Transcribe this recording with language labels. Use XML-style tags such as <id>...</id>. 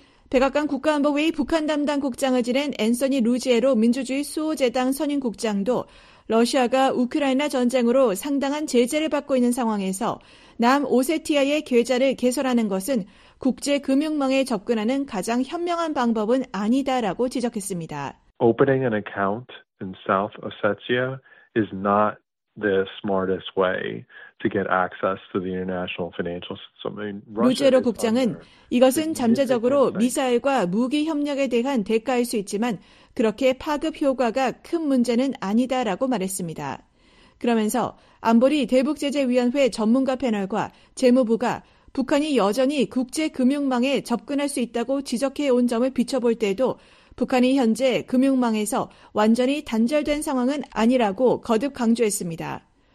<ko>백악관 국가안보회의 북한 담당 국장을 지낸 앤서니 루지에로 민주주의 수호재당 선임 국장도 러시아가 우크라이나 전쟁으로 상당한 제재를 받고 있는 상황에서 남오세티아의 계좌를 개설하는 것은 국제금융망에 접근하는 가장 현명한 방법은 아니다라고 지적했습니다.</ko> <en>Opening an account in South Ossetia is not the smartest way to get access to the international financial system.</en> <ko>루제로 국장은 이것은 잠재적으로 미사일과 무기 협력에 대한 대가일 수 있지만 그렇게 파급 효과가 큰 문제는 아니다라고 말했습니다. 그러면서 안보리 대북제재위원회 전문가 패널과 재무부가 북한이 여전히 국제금융망에 접근할 수 있다고 지적해온 점을 비춰볼 때도 북한이 현재 금융망에서 완전히 단절된 상황은 아니라고 거듭 강조했습니다.</ko>